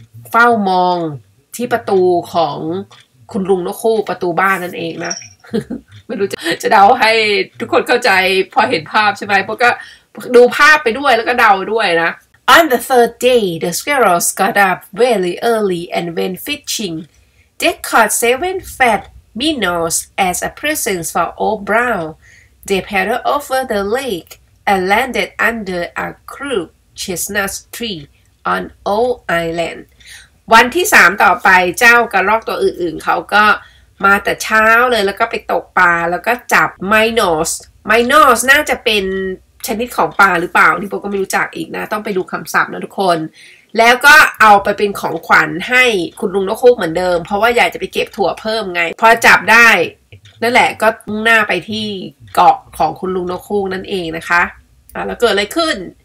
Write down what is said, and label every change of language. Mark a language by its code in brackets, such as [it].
[th] เฝ้ามองที่ประตูของคุณลุงนกคู่ประตูบ้านนั่นเองนะ ไม่รู้จะเดาให้ทุกคนเข้าใจพอเห็นภาพใช่ไหมเพราะก็ดูภาพไปด้วยแล้วก็เดาด้วยนะ [en] On the third day the squirrels got up very early and went fishing they caught 7 fatminnows as a present for old Brown. They paddled over the lake and landed under a crooked chestnut tree on old island. [th] วันที่3ต่อไปเจ้ากระรอกตัวอื่นๆเขาก็มาแต่เช้าเลยแล้วก็ไปตกปลาแล้วก็จับ minnows. Minnows น่าจะเป็นชนิดของปลาหรือเปล่านี่ผมก็ไม่รู้จักอีกนะต้องไปดูคำศัพท์นะทุกคนแล้วก็เอาไปเป็นของขวัญให้คุณลุงนกฮูกเหมือนเดิมเพราะว่าอยากจะไปเก็บถั่วเพิ่มไงพอจับได้นั่นแหละก็มุ่งหน้าไปที่เกาะของคุณลุงนกฮูกนั่นเองนะคะแล้วเกิดอะไรขึ้น